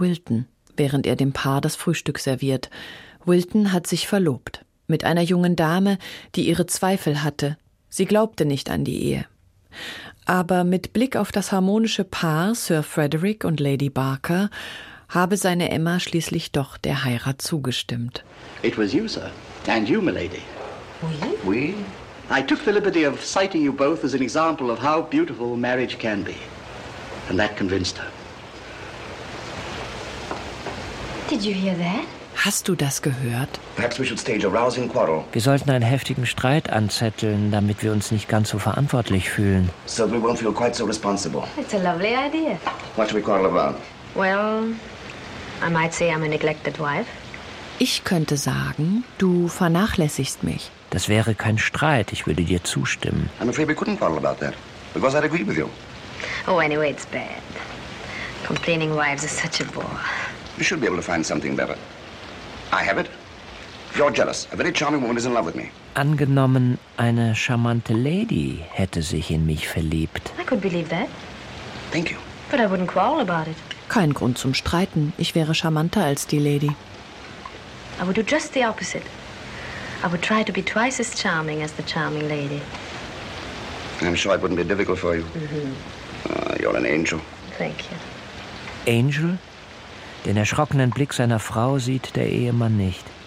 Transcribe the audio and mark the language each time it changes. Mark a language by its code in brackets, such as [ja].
[de] Wilton, während er dem Paar das Frühstück serviert. Wilton hat sich verlobt mit einer jungen Dame, die ihre Zweifel hatte. Sie glaubte nicht an die Ehe. Aber mit Blick auf das harmonische Paar Sir Frederick und Lady Barker habe seine Emma schließlich doch der Heirat zugestimmt. [en] It was you, sir, and you, milady. [fr] Oui. [en] I took the liberty of citing you both as an example of how beautiful marriage can be. And that convinced her. Did you hear that? [de] Hast du das gehört? [en] Perhaps we should stage a rousing quarrel. [de] Wir sollten einen heftigen Streit anzetteln, damit wir uns nicht ganz so verantwortlich fühlen. [en] So we won't feel quite so responsible. It's a lovely idea. What should we quarrel about? Well, I might say I'm a neglected wife. [de] Ich könnte sagen, du vernachlässigst mich. Das wäre kein Streit, ich würde dir zustimmen. [en] I'm afraid we couldn't quarrel about that, because I'd agree with you. Oh, anyway, it's bad. Complaining wives are such a bore. You should be able to find something better. I have it. If you're jealous, a very charming woman is in love with me. [de] Angenommen, eine charmante Lady hätte sich in mich verliebt. [en] I could believe that. Thank you. But I wouldn't quarrel about it. [de] Kein Grund zum Streiten, ich wäre charmanter als die Lady. [en] I would do just the opposite. I would try to be twice as charming as the charming lady. I'm sure it wouldn't be difficult for you. Mm-hmm. You're an angel. Thank you. Angel? [de] Den erschrockenen Blick seiner Frau sieht der Ehemann nicht.